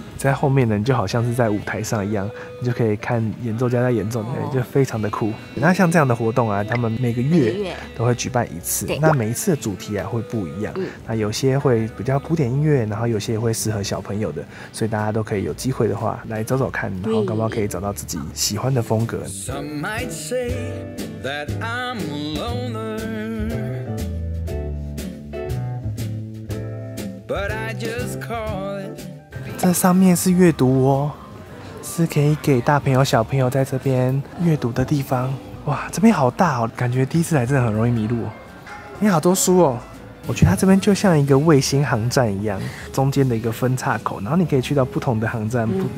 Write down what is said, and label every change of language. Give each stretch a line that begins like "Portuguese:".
Chinese: 在后面呢，你就好像是在舞台上一样，你就可以看演奏家在演奏，就非常的酷。那像这样的活动啊，他们每个月都会举办一次，那每一次的主题啊会不一样，那有些会比较古典音乐，然后有些会适合小朋友的，所以大家都可以有机会的话来走走看，然后搞不好可以找到自己喜欢的风格。
English: Some might say that I'm a loner, but I just call it.
Chinese: 这上面是阅读窝，是可以给大朋友小朋友在这边阅读的地方。哇，这边好大哦，感觉第一次来真的很容易迷路。你好多书哦。我觉得它这边就像一个卫星航站一样，中间的一个分岔口，然后你可以去到不同的航站。